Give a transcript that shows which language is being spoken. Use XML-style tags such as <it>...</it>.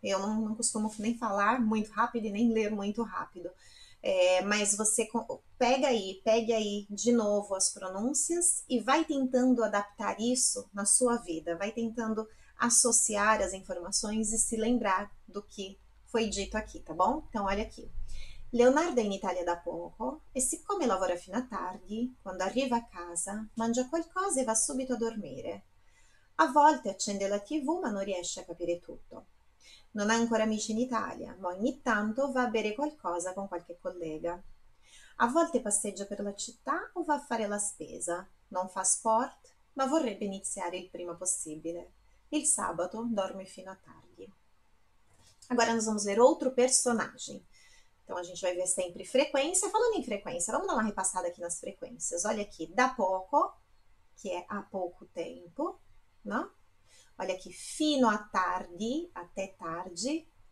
<pt>Eu não costumo nem falar muito rápido e nem ler muito rápido, mas você pegue aí de novo as pronúncias e vai tentando adaptar isso na sua vida, vai tentando associar as informações e se lembrar do que foi dito aqui, tá bom? Então, olha aqui.</pt> <it>Leonardo è in Italia da poco e siccome lavora fino a tardi, quando arriva a casa, mangia qualcosa e va subito a dormire. A volte accende la TV, ma non riesce a capire tutto. Non ha ancora amici in Italia, ma ogni tanto va a bere qualcosa con qualche collega. A volte passeggia per la città o va a fare la spesa. Non fa sport, ma vorrebbe iniziare il prima possibile. Il sabato dorme fino a tardi.</it> <pt>Agora nós vamos ver outro personagem. Então a gente vai ver sempre frequência. Falando em frequência, vamos dar uma repassada aqui nas frequências. Olha aqui, da pouco, que é há pouco tempo, não? Olha aqui,</pt> <it>fino a tardi,</it> <pt>até tarde.</pt>